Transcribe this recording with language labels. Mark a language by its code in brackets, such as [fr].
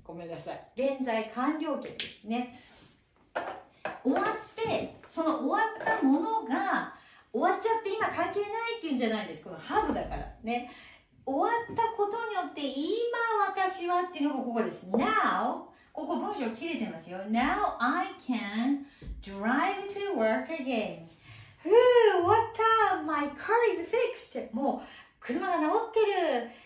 [ja] ごめんなさい、現在完了形ですね。終わって、その終わったものが終わっちゃって今関係ないっていうんじゃないです。このハブだからね、終わったことによって今私はっていうのがここです。 Now、 ここ文章切れてますよ。 [en] Now I can drive to work again。 [ja] ふぅ、終わった、 [en] My car is fixed、 [ja] もう車が直ってる。